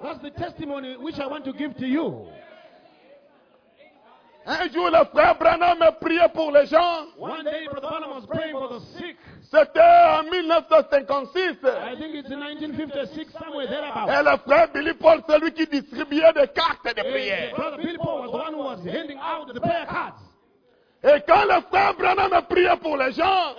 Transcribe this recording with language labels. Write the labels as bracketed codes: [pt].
[en] That's the testimony which I want to give to you. [fr] Un jour, le frère Branham a prié pour les gens. [en] One day, Brother Branham was praying for the sick. [fr] C'était en 1956. [en] I think it's in 1956, somewhere thereabout. [fr] Et le frère Billy Paul, celui qui distribuait des cartes de prière. [en] Brother Billy Paul was the one who was handing out the prayer cards. [fr] Et quand le frère Branham a prié pour les gens,